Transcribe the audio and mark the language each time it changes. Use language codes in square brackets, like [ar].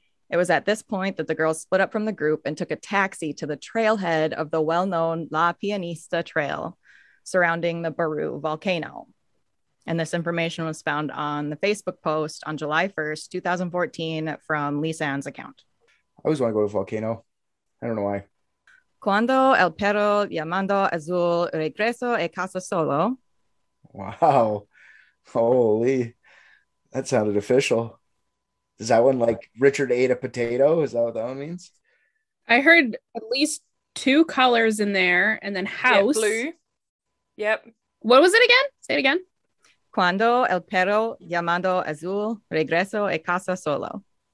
[en] It was at this point that the girls split up from the group and took a taxi to the trailhead of the well-known La Pianista Trail surrounding the Baru volcano. And this information was found on the Facebook post on July 1st, 2014 from Lisanne's account. I always want to go to a volcano. I don't know why. [es] Cuando el perro llamando Azul regreso a casa solo. [en] Wow. Holy, that sounded official. Is that one like Richard ate a potato? Is that what that one means? I heard at least two colors in there and then house. Yeah, blue. Yep. What was it again? Say it again. [es] Cuando el perro llamando Azul regreso a casa solo.